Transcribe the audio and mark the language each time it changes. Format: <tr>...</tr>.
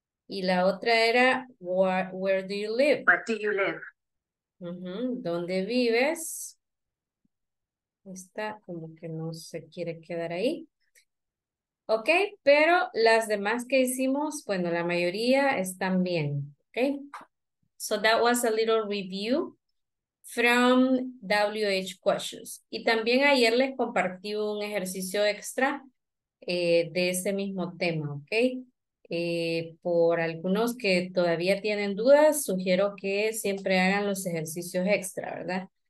<es>Y la otra era,</es> <en>where do you live? Where do you live?</en> <es>¿Dónde vives? Esta como que no se quiere quedar ahí. Ok, pero las demás que hicimos, bueno, la mayoría están bien. Ok.</es> <en>So that was a little review from WH questions.</en> <es>Y también ayer les compartí un ejercicio extra de ese mismo tema, ¿ok? Por algunos que todavía tienen dudas, sugiero que siempre hagan los ejercicios extra, ¿verdad?</es>